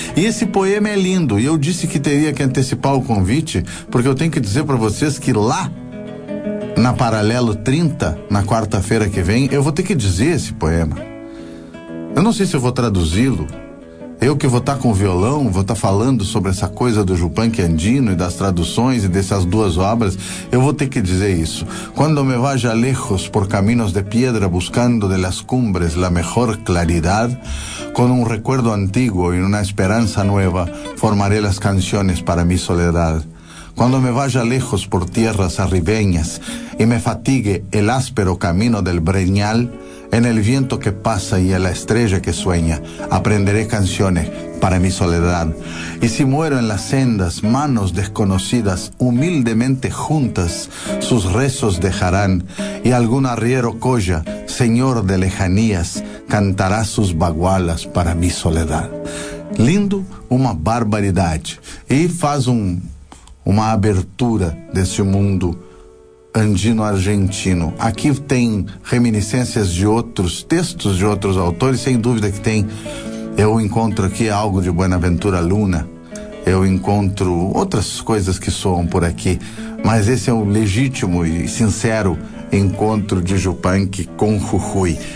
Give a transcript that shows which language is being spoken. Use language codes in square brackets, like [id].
[pt] E esse poema é lindo, e eu disse que teria que antecipar o convite, porque eu tenho que dizer para vocês que lá na Paralelo 30, na quarta-feira que vem, eu vou ter que dizer esse poema. Eu não sei se eu vou traduzi-lo, eu que vou estar com o violão, vou estar falando sobre essa coisa do Yupanqui andino e das traduções e dessas duas obras, eu vou ter que dizer isso. [es] Quando me vaya lejos por caminos de piedra buscando de las cumbres la mejor claridad, con un recuerdo antiguo y una esperanza nueva, formaré las canciones para mi soledad. Cuando me vaya lejos por tierras arribeñas y me fatigue el áspero camino del breñal, en el viento que pasa y en la estrella que sueña, aprenderé canciones para mi soledad. Y si muero en las sendas, manos desconocidas, humildemente juntas, sus rezos dejarán, y algún arriero colla, señor de lejanías, cantará sus bagualas para mi soledad. Lindo, una barbaridad. [pt] Y faz uma abertura desse mundo andino-argentino. Aqui tem reminiscências de outros textos, de outros autores, sem dúvida que tem. Eu encontro aqui algo de Buenaventura Luna, eu encontro outras coisas que soam por aqui, mas esse é um legítimo e sincero encontro de Yupanqui com Jujuy.